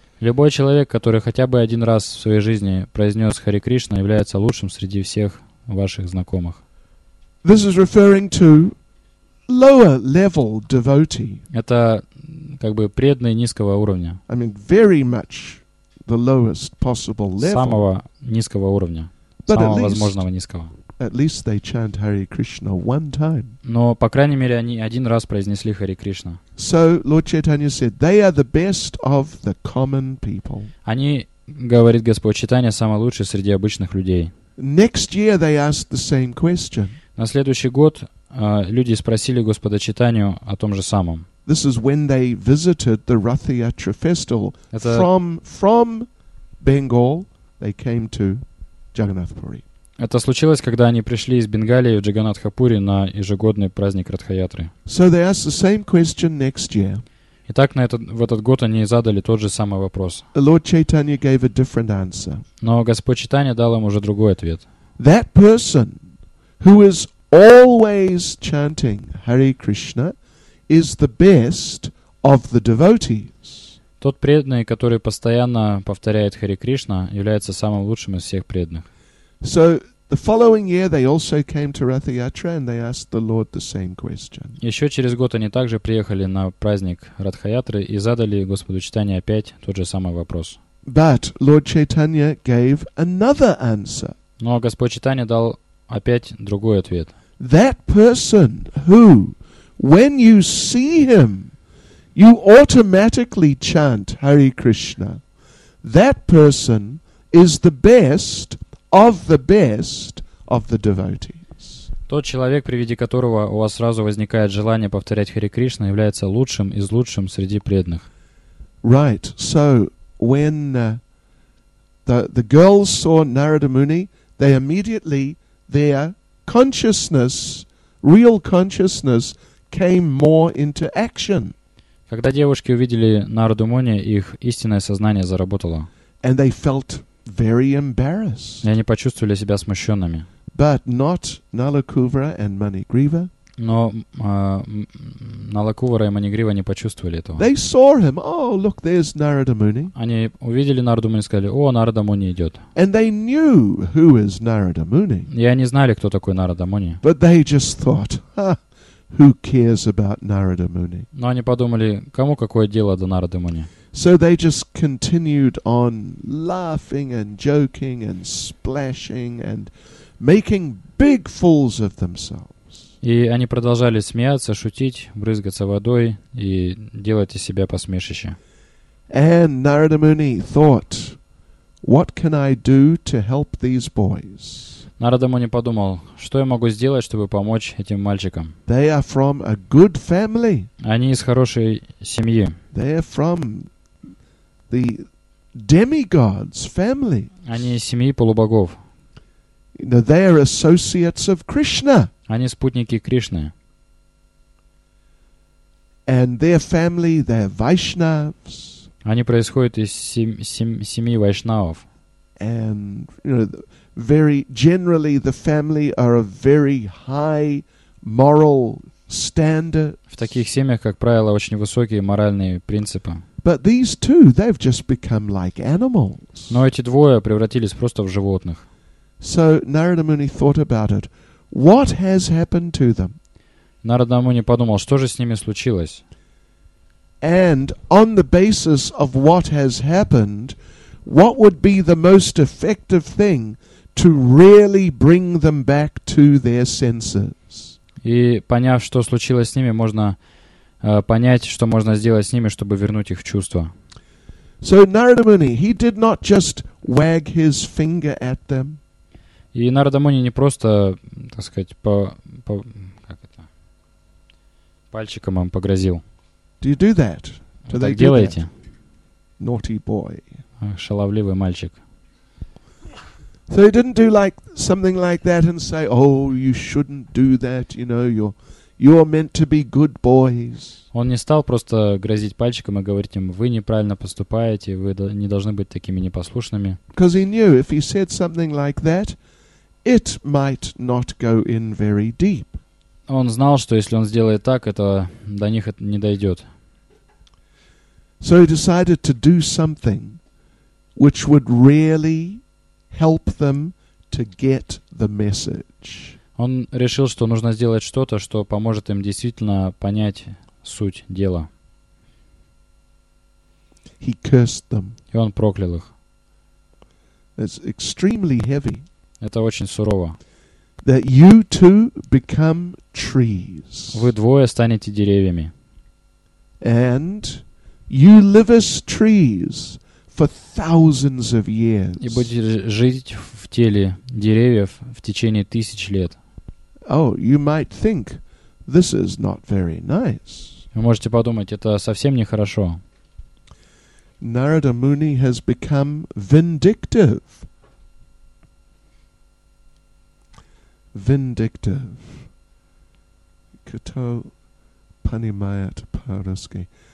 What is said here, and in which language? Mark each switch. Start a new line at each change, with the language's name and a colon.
Russian: Любой человек, который хотя бы 1 раз в своей жизни произнес Хари Кришна, является лучшим среди всех ваших знакомых.
English: This is referring to lower level devotee.
Russian: Это преданные низкого уровня.
English: I mean, very much the lowest possible level.
Russian: Самого низкого уровня. Самого возможного низкого.
English: At least they chant Hare Krishna one time.
Russian: Но, по крайней мере, они 1 раз произнесли Хари Кришна.
English: So Lord Chaitanya said, they are the best of the common people.
Russian: Они, говорит Господь Чайтанья, самые лучшие среди обычных людей.
English: Next year they asked the same question.
Russian: На следующий год люди спросили Господа Чайтанью о том же самом.
English: This is when they visited the Rath Yatra festival.
Russian: Это...
English: From Bengal they came to Jagannath Puri.
Russian: Это случилось, когда они пришли из Бенгалии в Джаганатхапури на ежегодный праздник Ратхаятры.
English: So they asked the same question next year.
Russian: И так на этот, в этот год они задали тот же самый вопрос.
English: The Lord Chaitanya gave a different answer.
Russian: Но Господь Чайтанья дал им уже другой ответ.
English: That person who is always chanting Hare Krishna is the best of the devotees.
Russian: Тот преданный, который постоянно повторяет Хари Кришна, является самым лучшим из всех преданных.
English: So the following year they also came to Ratha Yatra and they asked the Lord the same question.
Russian: Еще через год они также приехали на праздник Ратха Ятры и задали Господу Чайтанье опять тот же самый вопрос.
English: But Lord Chaitanya gave another answer.
Russian: Но Господь Чайтанья дал опять другой ответ.
English: That person who, when you see him, you automatically chant Hare Krishna. That person is the best of the best of the devotees.
Russian: Тот человек, при виде которого у вас сразу возникает желание повторять Хари Кришна, является лучшим из лучшим среди преданных.
English: Right. So when the girls saw Narada Muni, they immediately their consciousness, real consciousness, came more into action.
Russian: Когда девушки увидели Нараду Муни, их истинное сознание заработало.
English: And they felt very embarrassed.
Russian: И они почувствовали себя смущенными.
English: But not Nalakuvara and Manigriva.
Russian: Но Nalakuvara и Manigriva не почувствовали этого.
English: They saw him. Oh, look, there's Narada Muni.
Russian: Они увидели Нараду Муни и сказали: «О, Нарада Муни идет».
English: And they knew who is Narada Muni.
Russian: И они знали, кто такой Нарада Муни.
English: But they just thought, ha. Who cares about Narada Muni?
Russian: Но они подумали, кому какое дело до Нарады Муни?
English: So they just continued on laughing and joking and splashing and making big fools of themselves.
Russian: И они продолжали смеяться, шутить, брызгаться водой и делать из себя посмешище.
English: And Narada Muni thought, what can I do to help these boys?
Russian: Нарада Муни подумал, что я могу сделать, чтобы помочь этим мальчикам.
English: They are from a good family.
Russian: Они из хорошей семьи.
English: They are from the demigods' family.
Russian: Они из семьи полубогов.
English: They are associates of Krishna.
Russian: Они спутники Кришны.
English: And their family, they are Vaishnavs.
Russian: Они происходят из семьи Вайшнавов.
English: And very generally, the family are of very high moral standard.
Russian: В таких семьях, как правило, очень высокие моральные принципы.
English: But these two, they've just become like animals.
Russian: Но эти двое превратились просто в животных.
English: So Narada Muni thought about it. What has happened to them?
Russian: Нарада Муни подумал, что же с ними случилось?
English: And on the basis of what has happened, what would be the most effective thing to really bring them back to their senses?
Russian: И поняв, что случилось с ними, можно понять, что можно сделать с ними, чтобы вернуть их в чувства.
English: So Narada Muni, he did not just wag his finger at them.
Russian: И Нарада Муни не просто, так сказать, пальчиком им погрозил.
English: Do you do that? Do they
Russian: делаете?
English: Naughty boy.
Russian: Шаловливый мальчик.
English: So he didn't do like something like that and say, "Oh, you shouldn't do that. You know, you're meant to be good boys."
Russian: Он не стал просто грозить пальчиком и говорить им: "Вы неправильно поступаете. Вы не должны быть такими непослушными."
English: Because he knew if he said something like that, it might not go in very deep.
Russian: Он знал, что если он сделает так, это до них это не дойдет.
English: So he decided to do something which would really help them to get the message.
Russian: Он решил, что нужно сделать что-то, что поможет им действительно понять суть дела.
English: He cursed them.
Russian: И он проклял их.
English: It's extremely heavy.
Russian: Это очень сурово.
English: That you two become trees.
Russian: Вы двое станете деревьями.
English: And you live as trees for thousands of years.
Russian: И будете жить в теле деревьев в течение тысяч лет.
English: Oh, you might think this is not very nice.
Russian: Вы можете подумать, это совсем нехорошо.
English: Narada Muni has become vindictive. Vindictive.
Russian: Kato panimayat paruski.